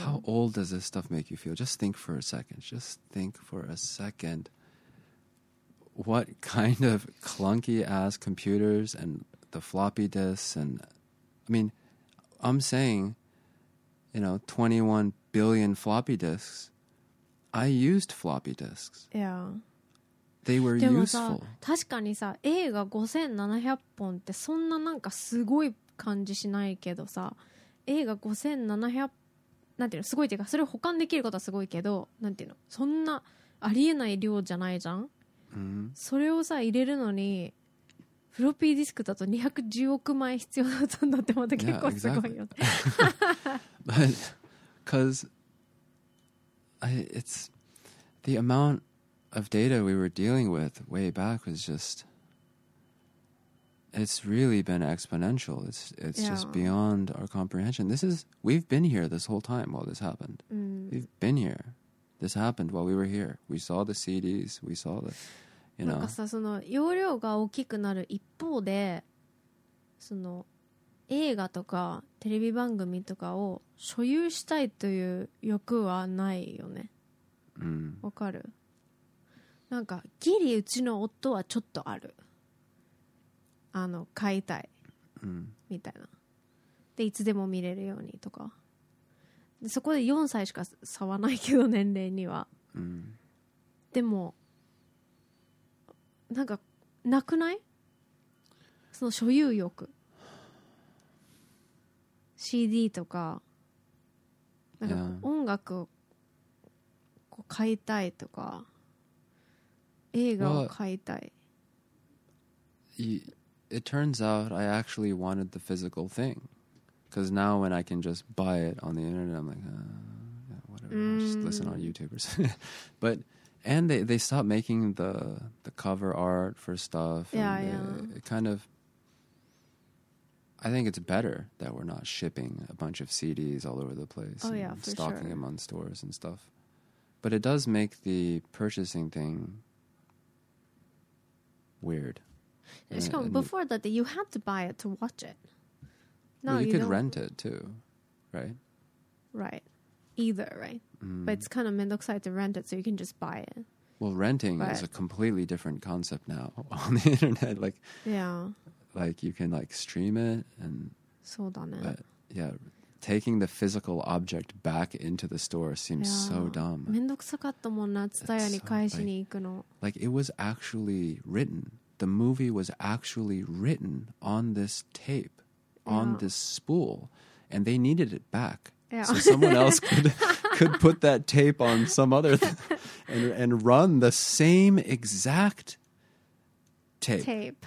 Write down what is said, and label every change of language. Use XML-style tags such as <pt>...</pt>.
<en>How old does this stuff make you feel? Just think for a second. Just think for a second. What kind of clunky ass computers and the floppy disks and I mean, I'm saying, you know, 21 billion floppy disks. I used floppy disks. Yeah. They were useful.</en> <ja>でもさ、確かにさ、映画5700本ってそんななんかすごい感じしないけどさ、映画5700、なんていうの、すごいっていうか、それを保管できることはすごいけど、なんていうの、そんなありえない量じゃないじゃん。</ja> <en>Mm-hmm.</en> <ja>それをさ、入れるのに、フロッピーディスクだと210億枚必要だったんだって、また結構すごいよ。</ja> <en>Yeah, exactly. Because it's the amount. Of data we were dealing with way back was just, it's really been exponential. It's yeah. just beyond our comprehension. This is, we've been here this whole time while this happened. Mm. We've been here. This happened while we were here. We saw the CDs, we saw the, you know.</en> <ja>なんかさ、その容量が大きくなる一方で、その映画とかテレビ番組とかを所有したいという欲はないよね。わかる？なんかギリうちの夫はちょっとある、あの買いたいみたいな、でいつでも見れるようにとか、でそこで4歳しか差はないけど年齢には、でもなんかなくない、その所有欲、 CD とかなんか音楽をこう買いたいとか映画を買いたい。</ja> <en>Well, it turns out I actually wanted the physical thing. Because now when I can just buy it on the internet, I'm like, yeah, whatever, just listen on YouTubers. But, and they stopped making the cover art for stuff. Yeah, and yeah. It kind of, I think it's better that we're not shipping a bunch of CDs all over the place. Oh, yeah, for sure. Stocking them on stores and stuff. But it does make the purchasing thing... Weird.</en> <ja>しかも</ja> <en>before that, you had to buy it to watch it. No, well, you could rent it too, right? Right. Either, right? But it's kind of</en> <ja>面倒くさい</ja> <en>to rent it, so you can just buy it. Well, renting is a completely different concept now on the internet. Like, yeah. Like you can like stream it and.</en> <ja>そうだね。</ja> <en>But yeah, taking the physical object back into the store seems so dumb.</en> <ja>めんどくさかったもんな、ツタヤに返しに行くの。</ja> <en>Like it was actually written. The movie was actually written on this tape, on this spool, and they needed it back. Yeah. So someone else could put that tape on some other and run the same exact tape.</en>